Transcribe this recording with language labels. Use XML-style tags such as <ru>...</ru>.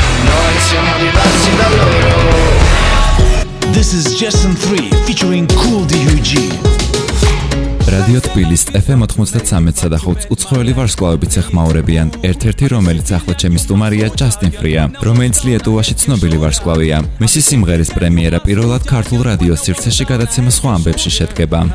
<it>Noi siamo diversi da loro.</it> <en>This is Jason 3 featuring Cool DUG.</en> <ka>Radio Tbilisi FM 93.5-ის უცხოელი ვარსკვლავები ცეხმაურებიან. ერთ-ერთი, რომელიც ახლა ჩემი სტუმარია, Justin Free-ა, რომელიც ლიეტუვაში ცნობილი ვარსკვლავია. მისი სიმღერის პრემიერა პირველად ქართულ რადიო სივრცეში გადაცემა სხვა ამბებში შედგება.</ka>